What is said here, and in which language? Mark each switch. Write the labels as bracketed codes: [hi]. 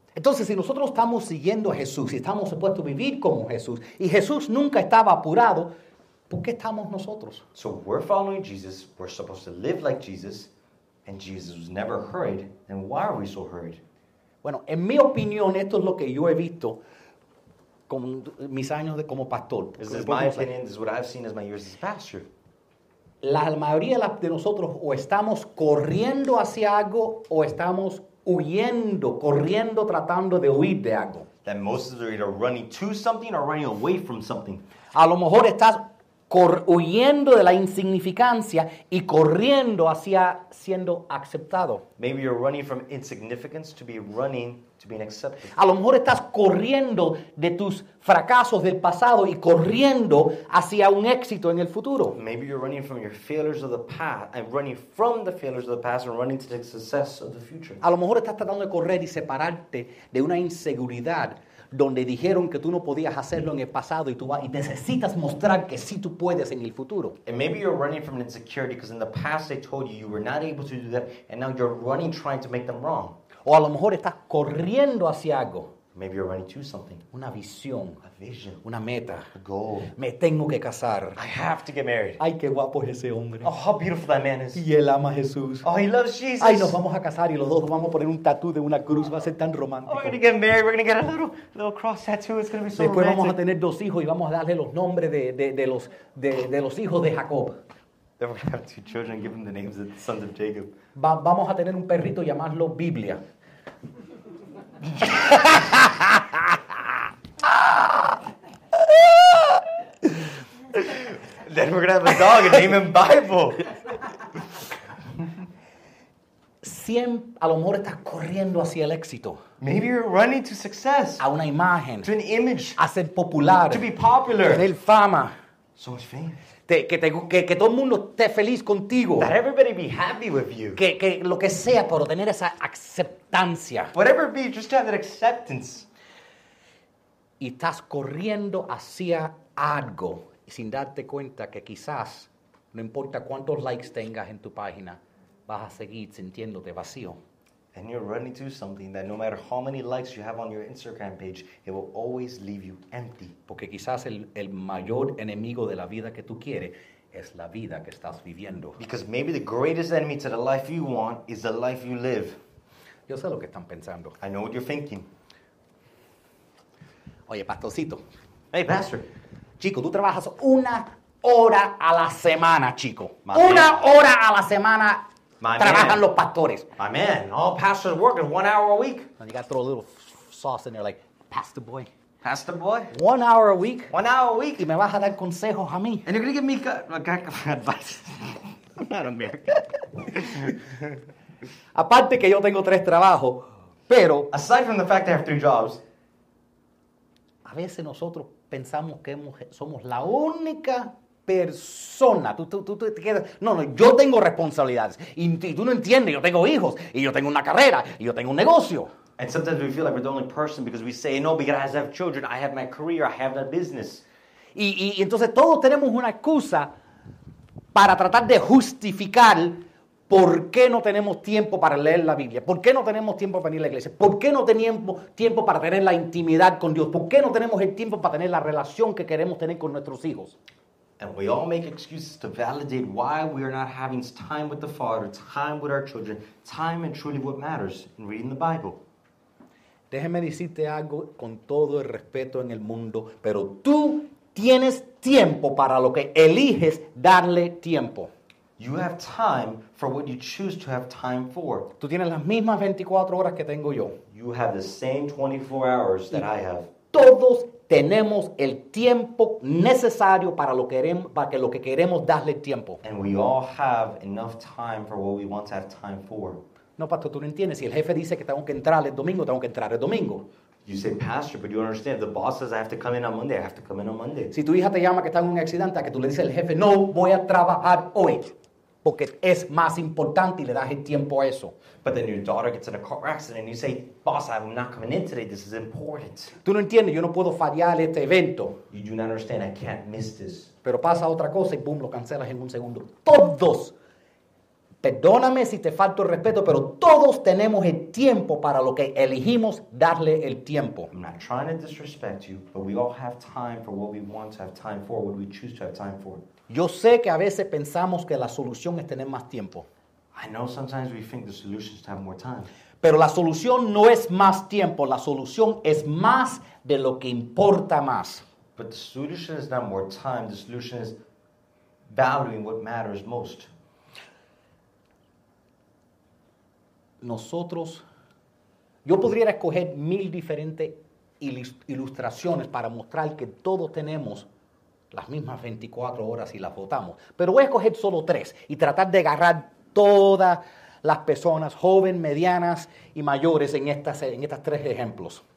[es] Entonces, si nosotros estamos siguiendo a Jesús, si estamos supuestos a vivir como Jesús, y Jesús nunca estaba apurado, ¿por qué estamos nosotros? [en] So we're following Jesus, we're supposed to live like Jesus, and Jesus was never hurried, then why are we so hurried? [es] Bueno, en mi opinión, esto es lo que yo he visto con mis años de como pastor. [en] This is my opinion, this is what I've seen as my years as a pastor. [es] La mayoría de nosotros o estamos corriendo hacia algo o estamos huyendo, corriendo, tratando de huir de algo. [en] That most of us are either running to something or running away from something. [es] A lo mejor estás huyendo de la insignificancia y corriendo hacia siendo aceptado. [en] Maybe you're running from insignificance to be running to being accepted. [es] A lo mejor estás corriendo de tus fracasos del pasado y corriendo hacia un éxito en el futuro. [en] Maybe you're running from your failures of the past and running from the failures of the past and running to the success of the future. [es] A lo mejor estás tratando de correr y separarte de una inseguridad donde dijeron que tú no podías hacerlo en el pasado y tú vas, y necesitas mostrar que sí tú puedes en el futuro. [en] And maybe you're running from an insecurity because in the past they told you you were not able to do that and now you're running trying to make them wrong. [es] O a lo mejor estás corriendo hacia algo. [en] Maybe you're running to something. [es] Una visión. [en] A vision. [es] Una meta. [en] A goal. [es] Me tengo que casar. [en] I have to get married. [es] Ay, qué guapo es ese hombre. [en] Oh, how beautiful that man is. [es] Y él ama a Jesús. [en] Oh, he loves Jesus. [es] Ay, nos vamos a casar y los dos vamos a poner un tatú de una cruz. Va a ser tan romántico. [en] Oh, we're going to get married. We're going to get a little cross tattoo. It's going to be so [es] Después Después vamos a tener dos hijos y vamos a darle los nombres de los hijos de Jacob. [en] Then we're going to have two children and give them the names of the sons of Jacob. [es] Vamos a tener un perrito llamarlo Biblia. [en] Then we're going to have a dog and name him Bible. [es] Siempre, a lo mejor estás corriendo hacia el éxito. [en] Maybe you're running to success. [es] A una imagen. [en] To an image. [es] A ser popular. [en] To be popular. [es] Tener fama. [en] So much fame. [es] Que todo el mundo esté feliz contigo. [en] That everybody be happy with you. [es] Que lo que sea por tener esa aceptancia. [en] Whatever it be, just to have that acceptance. [es] Y estás corriendo hacia algo sin darte cuenta que quizás, no importa cuántos likes tengas en tu página, vas a seguir sintiéndote vacío. [en] And you're running to something that no matter how many likes you have on your Instagram page, it will always leave you empty. [es] Porque quizás el mayor enemigo de la vida que tú quieres es la vida que estás viviendo. [en] Because maybe the greatest enemy to the life you want is the life you live. [es] Yo sé lo que están pensando. [en] I know what you're thinking. [es] Oye, pastorcito. [en] Hey, pastor. [es] Chico, tú trabajas una hora a la semana, chico. My una man. Hora a la semana My trabajan man. Los pastores. [en] Amen. All pastors working 1 hour a week. And you got to throw a little sauce in there like, Pastor Boy. Pastor Boy? 1 hour a week. 1 hour a week. [es] Y me vas a dar consejos a mí. [en] And you're going to give me advice. I'm not American. [es] Aparte que yo tengo tres trabajos, pero... [en] Aside from the fact I have three jobs. [es] A veces nosotros pensamos que somos la única persona. Tú te quedas... No, yo tengo responsabilidades. Y tú no entiendes, yo tengo hijos, y yo tengo una carrera, y yo tengo un negocio. [en] And sometimes we feel like we're the only person because we say, no, because I have children, I have my career, I have that business. [es] Y entonces todos tenemos una excusa para tratar de justificar por qué no tenemos tiempo para leer la Biblia, por qué no tenemos tiempo para venir a la iglesia, por qué no tenemos tiempo para tener la intimidad con Dios, por qué no tenemos el tiempo para tener la relación que queremos tener con nuestros hijos. [en] And we all make excuses to validate why we are not having time with the Father, time with our children, time and truly what matters in reading the Bible. [es] Déjeme decirte algo con todo el respeto en el mundo, pero tú tienes tiempo para lo que eliges darle tiempo. [en] You have time for what you choose to have time for. [es] Tú tienes las mismas 24 horas que tengo yo. [en] You have the same 24 hours that I have. [es] Todos tenemos el tiempo necesario para lo que queremos, para que lo que queremos darle tiempo. [en] And we all have enough time for what we want to have time for. [es] No, pastor, tú no entiendes. Si el jefe dice que tengo que entrar el domingo, tengo que entrar el domingo. [en] You say, pastor, but you understand. If the boss says I have to come in on Monday, I have to come in on Monday. [es] Si tu hija te llama que está en un accidente, a que tú le dices al jefe, no voy a trabajar hoy. Porque es más importante y le das el tiempo a eso. [en] But then your daughter gets in a car accident and you say, boss, I'm not coming in today. This is important. [es] Tú no entiendes. Yo no puedo fallar este evento. [en] You do not understand. I can't miss this. [es] Pero pasa otra cosa y boom, lo cancelas en un segundo. Todos. Perdóname si te falto el respeto, pero todos tenemos el tiempo para lo que elegimos darle el tiempo. [en] I'm not trying to disrespect you, but we all have time for what we want to have time for, what we choose to have time for. [es] Yo sé que a veces pensamos que la solución es tener más tiempo. [en] I know sometimes we think the solution is to have more time. [es] Pero la solución no es más tiempo, la solución es más de lo que importa más. [en] But the solution is not more time, the solution is valuing what matters most. [es] Nosotros, yo podría escoger mil diferentes ilustraciones para mostrar que todos tenemos las mismas 24 horas y las votamos. Pero voy a escoger solo tres y tratar de agarrar todas las personas, jóvenes, medianas y mayores en estas tres ejemplos.